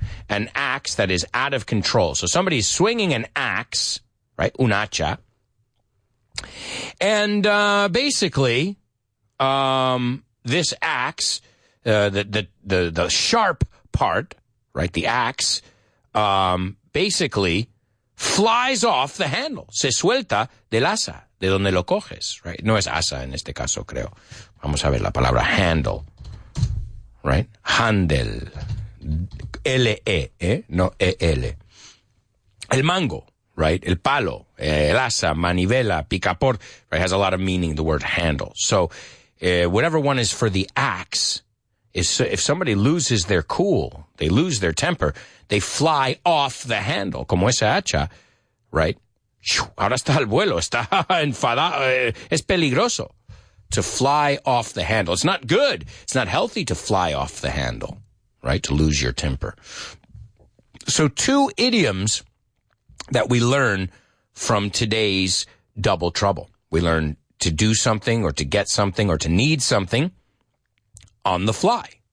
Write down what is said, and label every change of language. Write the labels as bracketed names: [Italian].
[English] An axe that is out of control. So somebody's swinging an axe, right? [Spanish] Un hacha. [English] And basically, this axe, the sharp part, right? The axe, basically flies off the handle. [Spanish] Se suelta del asa, de donde lo coges, right? No es asa en este caso, creo. Vamos a ver la palabra handle. Right? Handle. L-E, no E-L. El mango, right? El palo, el asa, manivela, picaporte, right? [English] Has a lot of meaning, the word handle. So whatever one is for the axe, is if somebody loses their cool, they lose their temper, they fly off the handle, [Spanish] como esa hacha, [English] right? [Spanish] Ahora está al vuelo, está enfadado, es peligroso. [English] To fly off the handle. It's not good. It's not healthy to fly off the handle, right? To lose your temper. So two idioms that we learn from today's double trouble. We learn to do something or to get something or to need something on the fly.